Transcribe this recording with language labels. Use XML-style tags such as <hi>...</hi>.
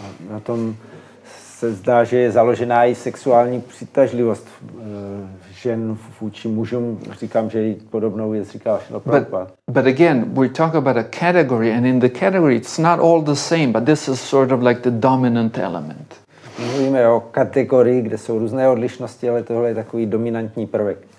<cs>Na tom se zdá, že je založená i sexuální přitažlivost žen vůči mužům. Říkám, že je podobnou věc říká Šila Prabhupada.</cs> <en>But again, we talk about a category, and in the category it's not all the same, but this is sort of like the dominant element.</en> <cs>Mluvíme o kategorii, kde jsou různé odlišnosti, ale tohle je takový dominantní prvek.</cs>